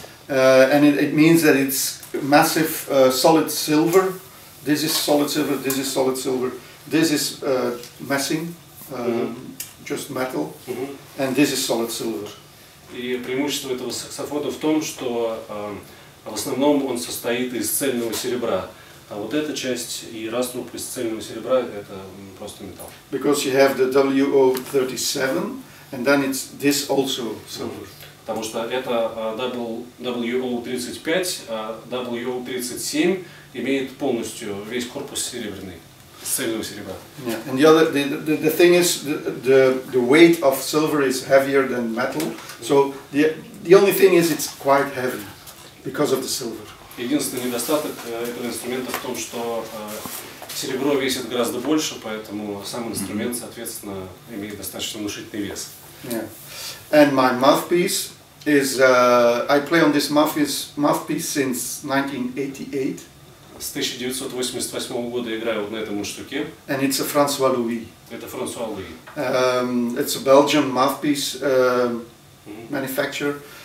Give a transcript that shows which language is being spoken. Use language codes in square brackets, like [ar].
[en] And it means that it's massive solid silver. This is solid silver. This is solid silver. This is messing, just metal. Mm-hmm. And this is solid silver. [ru] И преимущество этого саксофона в том, что в основном он состоит из цельного серебра, а вот эта часть и раструб из цельного серебра это просто металл. [en] Because you have the WO 37, and then it's this also silver. Mm-hmm. [ru] Потому что это WO-35, WO-37 имеет полностью весь корпус серебряный, с цельного серебра. [en] Yeah. And the thing is, the weight of silver is heavier than metal, so the only thing is it's quite heavy because of the silver. [ru] Единственный недостаток этого инструмента в том, что серебро весит гораздо больше, поэтому сам инструмент, соответственно, имеет достаточно внушительный вес. [en] Yeah. And my mouthpiece. I play on this mouthpiece since 1988. [ru] С 1988 года играю вот на этом штуке. [en] And it's a Francois Louis. [ru] Это Франсуа Луи. [en] It's a Belgian mouthpiece manufacturer.